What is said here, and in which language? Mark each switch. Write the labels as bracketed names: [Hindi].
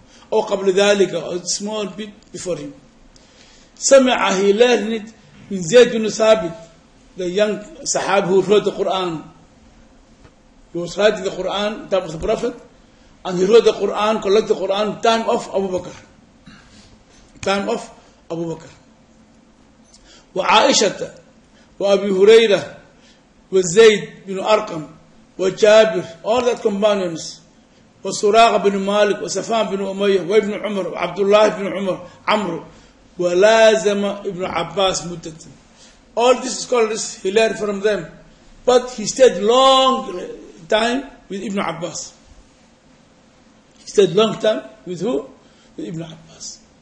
[English] Or قبل ذلك, a small bit before him. سمع, he learned it from Zayd ibn Thabit, the young Sahab who wrote the Quran. He was writing the Quran, that was the Prophet, and he wrote the Quran, collected the Quran, time of Abu Bakr. Time of Abu Bakr. [Arabic] وعائشة وأبي هريرة وزيد بن أرقم وجابر, all that companions. وصراغ بن مالك وسفان بن أمية وابن عمر وعبد الله بن عمر عمرو ولازم ابن عباس مدة. [English] All these scholars he learned from them, but he stayed long time with Ibn Abbas. He stayed long time with who? With Ibn Abbas.